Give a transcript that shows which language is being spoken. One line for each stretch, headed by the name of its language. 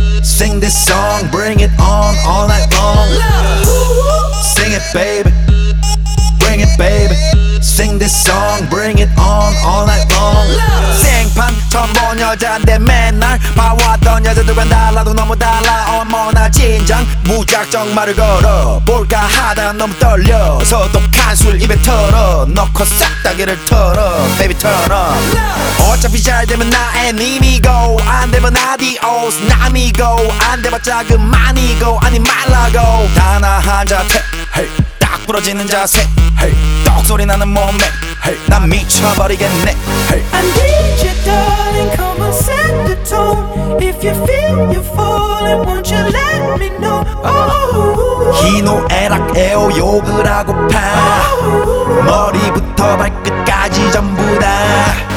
English: Sing this song, bring it on all night long. Sing it, baby. Bring it, baby. Sing this song, bring it on all night long.
Korean: 생판 처음 본 여자인데 맨날 봐왔던 여자들은 달라도 너무 달라. 어머나 진정 무작정 말을 걸어 볼까 하다 너무 떨려서 독한 술 입에 털어 넣고 싹다기를 털어.
English: Baby turn on.
Korean: 어차피 잘 되면 나의 님이고 안 되면 adios 남이고 안 돼봤자 그만이고 아니 말라고 단 한 자태 hey. 딱 부러지는 자세 hey. 떡소리 나는 몸매 hey. 난 미쳐버리겠네 hey.
English: I need you darling, come on set the tone. If you feel you're falling, won't you let me know.
Korean: 희노애락 애호욕을 하고 파 머리부터 발끝까지 전부 다.